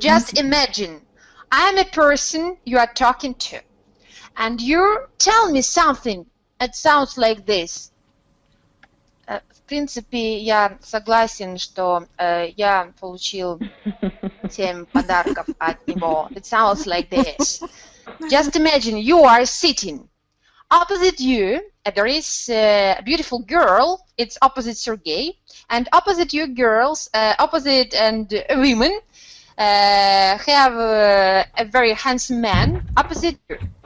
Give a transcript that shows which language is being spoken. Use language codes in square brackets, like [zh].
[en] Just imagine, I'm a person you are talking to, and you tell me something that sounds like this. [ru] В принципе, я согласен, что я получил 7 подарков от него. [en] It sounds like this. Just imagine, you are sitting. Opposite you, there is a beautiful girl, it's opposite Sergei, and opposite you girls, opposite and women, have a very handsome man, opposite you.